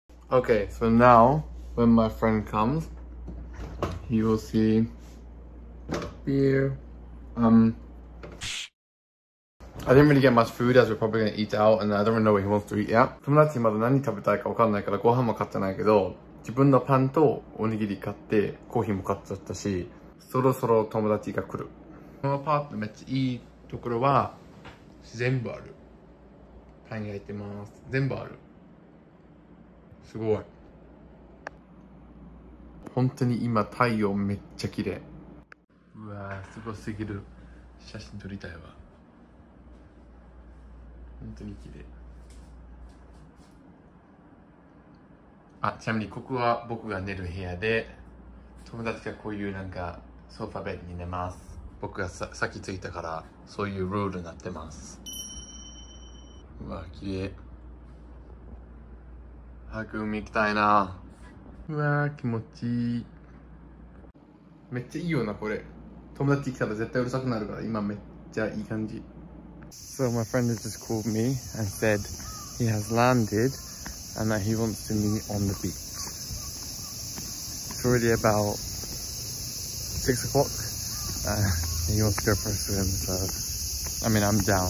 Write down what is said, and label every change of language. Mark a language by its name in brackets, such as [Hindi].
[English] Okay, so now when my friend comes, he will see beer. I didn't really get much food as we're probably gonna eat out, and I don't really know what he wants to eat yet. [Japanese] 友達にまだ何食べたいか分かんないからご飯も買ってないけど、自分のパンとおにぎり買ってコーヒーも買っちゃったし、そろそろ友達が来る。このアパートめっちゃいいところは全部ある。パン焼いてます。全部ある。すごい。本当に今太陽めっちゃ綺麗。うわー、すごすぎる。写真撮りたいわ。本当に綺麗。あ、ちなみにここは僕が寝る部屋で、友達がこういうなんかソファベッドに寝ます。僕が先着いたからそういうルールになってます。うわ、綺麗。早く海行きたいな。うわー、気持ちいい。めっちゃいいよな、これ。友達来たら絶対うるさくなるから、今めっちゃいい感じ。 [English] So my friend has just called me and said he has landed and that he wants to meet on the beach. It's already about 6 o'clock and he wants to go for a swim, so I mean, I'm down.